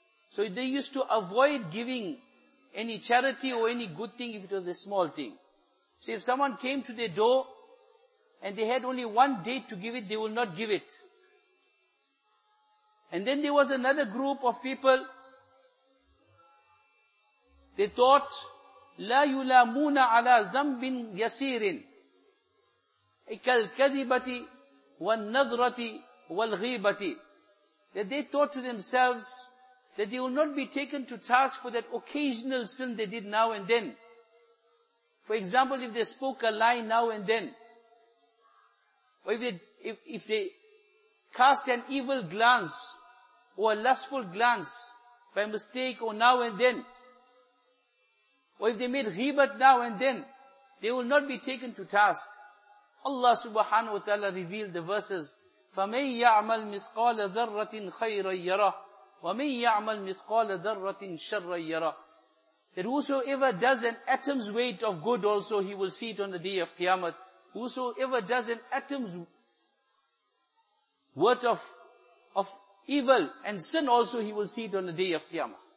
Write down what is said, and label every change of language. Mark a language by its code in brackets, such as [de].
[en] So they used to avoid giving any charity or any good thing if it was a small thing. So if someone came to their door and they had only one date to give it, they will not give it. And then there was another group of people They thought, [ar] لَا يُلَامُونَ عَلَىٰ ذَنْبٍ يَسِيرٍ كَالْكَذِبَةِ وَالنَّظْرَةِ وَالْغِيبَةِ. [en] That they thought to themselves that they will not be taken to task for that occasional sin they did now and then. For example, if they spoke a lie now and then, or if they cast an evil glance or a lustful glance by mistake or now and then, or if they made ghibat now and then, they will not be taken to task. Allah subhanahu wa ta'ala revealed the verses, [ar] فَمَنْ يَعْمَلْ مِثْقَالَ ذَرَّةٍ خَيْرًا يَرَهُ وَمَنْ يَعْمَلْ مِثْقَالَ ذَرَّةٍ شَرًّا يَرَهُ. [en] That whosoever does an atom's weight of good also, he will see it on the day of Qiyamah. Whosoever does an atom's worth of evil and sin also, he will see it on the day of Qiyamah.